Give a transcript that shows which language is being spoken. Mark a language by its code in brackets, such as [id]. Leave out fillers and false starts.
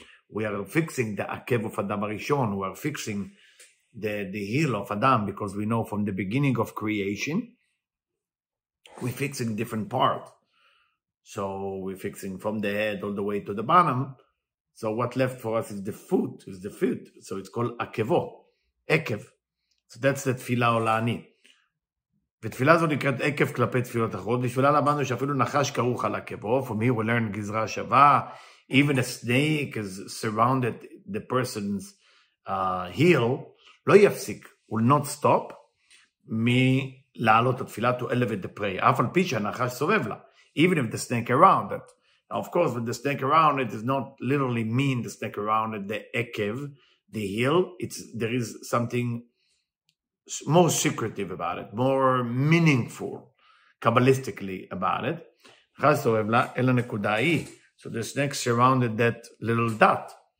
[en] We are fixing the Akev of Adam Arishon, we are fixing the heel of Adam, because we know from the beginning of creation, we're fixing different parts. So we're fixing from the head all the way to the bottom. So what left for us is the foot, is the feet. So it's called Akevo, Ekev. So that's the Tfilah Olani. [he] ותפילה זו נקראת עקב כלפי תפילות אחרות, בשבילה למדנו שאפילו נחש כרוך על עקבו, [en] from here we learn [he] גזרה שווה, [en] even a snake is surrounded the person's heel, [he] לא יפסיק, [en] will not stop, [he] מלעלות התפילה [en] to elevate the prayer, [he] אף על פי שהנחש סובב לה, [en] even if the snake around it. Now of course, when the snake around it, it does not literally mean the snake around it, the עקב, the heel, there is something more secretive about it, more meaningful, kabbalistically about it. So this next surrounded that little dot.